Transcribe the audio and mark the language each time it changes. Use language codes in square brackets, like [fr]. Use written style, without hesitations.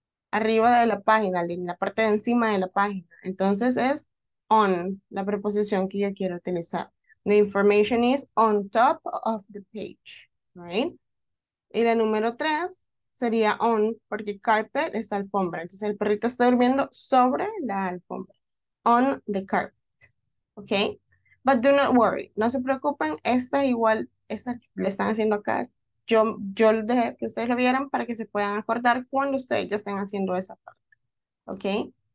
[es] Arriba de la página, en la parte de encima de la página. Entonces es on, la preposición que yo quiero utilizar. [en] The information is on top of the page, right? [es] Y la número 3 sería on, porque carpet es alfombra. Entonces el perrito está durmiendo sobre la alfombra. [en] On the carpet, okay? But do not worry, [es] no se preocupen, esta igual, esta le están haciendo acá. Yo dejé que ustedes lo vieran para que se puedan acordar cuando ustedes ya estén haciendo esa parte. Okay.